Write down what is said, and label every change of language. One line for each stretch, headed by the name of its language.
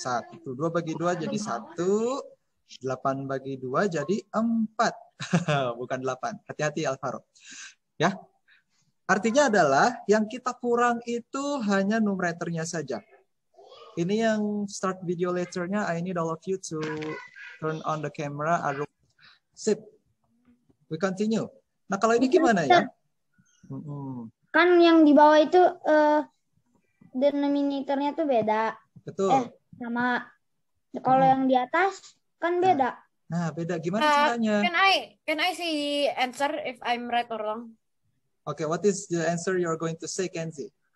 Indonesian: 1. 2 bagi 2 jadi 1. 8 bagi 2 jadi 4. Bukan 8. Hati-hati, Alvaro. Ya. Artinya adalah yang kita kurang itu hanya numeraternya saja. Ini yang start video later-nya.
English: I need all of you to turn on the camera.
Indonesian: Sip.
English: We continue.
Indonesian: Nah, kalau ini gimana ya? Kan yang di bawah itu denominator-nya tuh beda. Betul. Sama. Kalau yang di atas kan beda. Nah, beda. Gimana caranya?
English: Can I see answer if I'm right or wrong? Okay, what is the answer you're going to say, Kenzie?